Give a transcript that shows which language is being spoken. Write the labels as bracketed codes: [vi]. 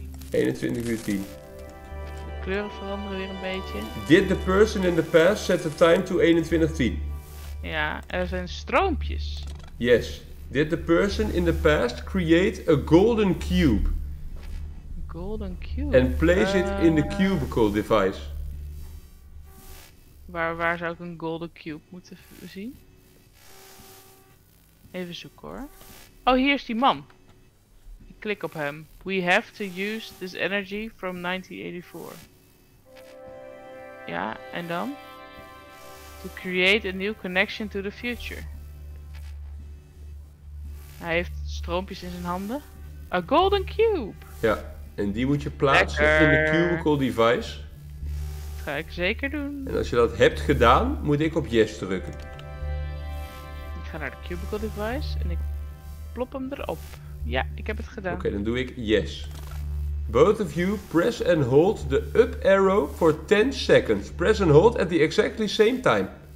[nl] De kleuren veranderen weer een beetje. [en] Did the person in the past set the time to 21:10? [nl] Ja, er zijn stroompjes. [en] Yes. Did the person in the past create a golden cube? Golden cube? And place it in the cubicle device. [nl] Waar zou ik een golden cube moeten zien? Even zoeken hoor. Oh, hier is die man. Ik klik op hem. [en] We have to use this energy from 1984. [nl] Ja, en dan? [en] To create a new connection to the future. [nl] Hij heeft stroompjes in zijn handen. [en] A golden cube! [nl] Ja, en die moet je plaatsen lekker. In de cubicle device. Dat ga ik zeker doen. En als je dat hebt gedaan, moet ik op yes drukken. Ik ga naar de cubicle device en ik plop hem erop. Ja, ik heb het gedaan. Oké, dan doe ik yes. [en] Both of you press and hold the up arrow for 10 seconds. Press and hold at the exactly same time.